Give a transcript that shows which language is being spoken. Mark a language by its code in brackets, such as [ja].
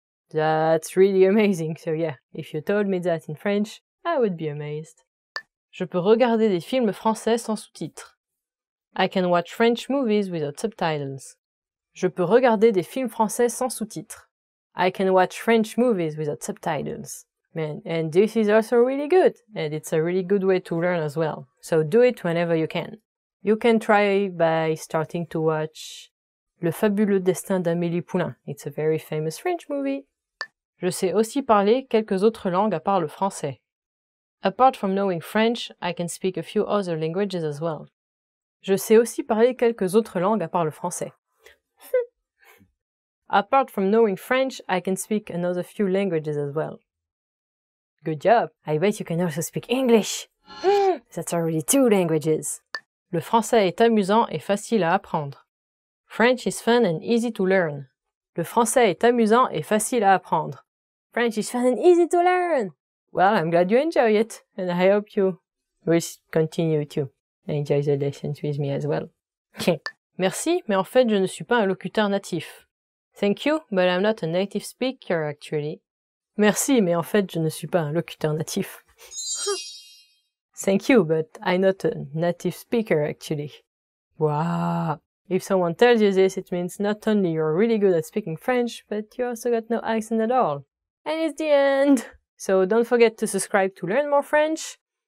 [en] That's really amazing, so yeah, if you told me that in French, I would be amazed. [fr] Je peux regarder des films français sans sous-titres. [en] I can watch French movies without subtitles. [fr] Je peux regarder des films français sans sous-titres. [en] I can watch French movies without subtitles. Man, and this is also really good, and it's a really good way to learn as well. So do it whenever you can. You can try by starting to watch Le fabuleux destin d'Amélie Poulain. It's a very famous French movie. [fr] Je sais aussi parler quelques autres langues à part le français. [en] Apart from knowing French, I can speak a few other languages as well. [fr] Je sais aussi parler quelques autres langues à part le français. [en] Apart from knowing French, I can speak another few languages as well. Good job! I bet you can also speak English! That's already two languages! [fr] Le français est amusant et facile à apprendre. [en] French is fun and easy to learn. [fr] Le français est amusant et facile à apprendre. [en] French is fun and easy to learn! Well, I'm glad you enjoy it, and I hope you will continue to enjoy the lessons with me as well. [fr] Merci, mais en fait, je ne suis pas un locuteur natif. [en] Thank you, but I'm not a native speaker, actually. [fr] Merci, mais en fait, je ne suis pas un locuteur natif. [en] Thank you, but I'm not a native speaker, actually. Wow! If someone tells you this, it means not only you're really good at speaking French, but you also got no accent at all. And it's the end! So don't forget to subscribe to learn more French.